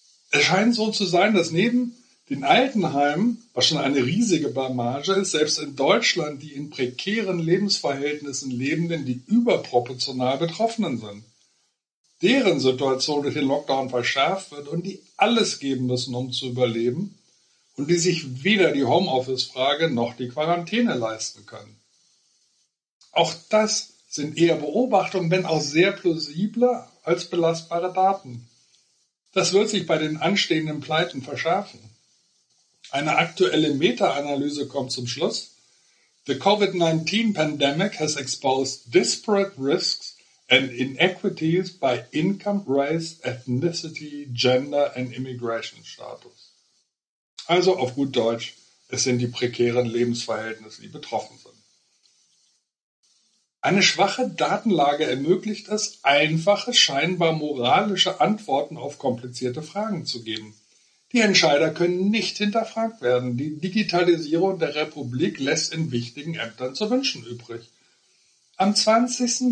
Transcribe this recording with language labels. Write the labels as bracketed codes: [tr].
[de] Es scheint so zu sein, dass neben den Altenheimen, was schon eine riesige Blamage ist, selbst in Deutschland die in prekären Lebensverhältnissen Lebenden die überproportional Betroffenen sind, deren Situation durch den Lockdown verschärft wird und die alles geben müssen, um zu überleben und die sich weder die Homeoffice-Frage noch die Quarantäne leisten können. Auch das sind eher Beobachtungen, wenn auch sehr plausible als belastbare Daten. Das wird sich bei den anstehenden Pleiten verschärfen. Eine aktuelle Meta-Analyse kommt zum Schluss. [en] The COVID-19 pandemic has exposed disparate risks and inequities by income, race, ethnicity, gender and immigration status. [de] Also auf gut Deutsch, es sind die prekären Lebensverhältnisse, die betroffen sind. Eine schwache Datenlage ermöglicht es, einfache, scheinbar moralische Antworten auf komplizierte Fragen zu geben. Die Entscheider können nicht hinterfragt werden. Die Digitalisierung der Republik lässt in wichtigen Ämtern zu wünschen übrig. Am 20.